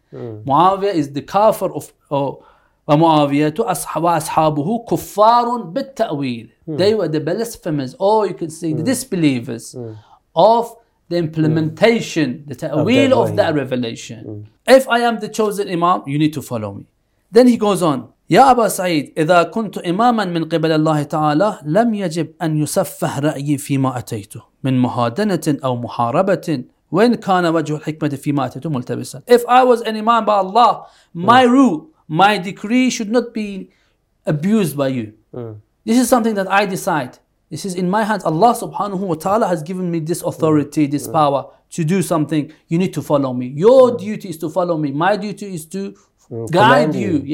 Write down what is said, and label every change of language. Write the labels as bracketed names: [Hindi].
[English] Muawiyah is the kafir of [Arabic] وَأَصْحَابُهُ كُفَّارٌ بِالتَّأْوِيلِ. [English] They were the blasphemers, or you could say the disbelievers of the implementation, the ta'wil of that revelation. If I am the chosen imam, you need to follow me. Then he goes on, [Arabic] يَا أَبَا سَعِيدٍ إِذَا كُنْتُ إِمَامًا مِنْ قِبَلَ اللَّهِ تَعَالَى لَمْ يَجِبْ أَنْ يُسَفَّهْ رَأْيِي فِي مَا أَتَيْتُ مِنْ مُهَادَنَةٍ أَوْ مُحَارَبَةٍ وَإِنْ كَانَ وَجْهُ الْحِكْمَةِ فِي مَا أَتَيْتُ مُلْتَبِسًا. [English] If I was an imam by Allah, my rule, my decree should not be abused by you. This is something that I decide. This is in my hands. Allah subhanahu wa ta'ala has given me this authority, this power to do something. You need to follow me. Your duty is to follow me. My duty is to guide you.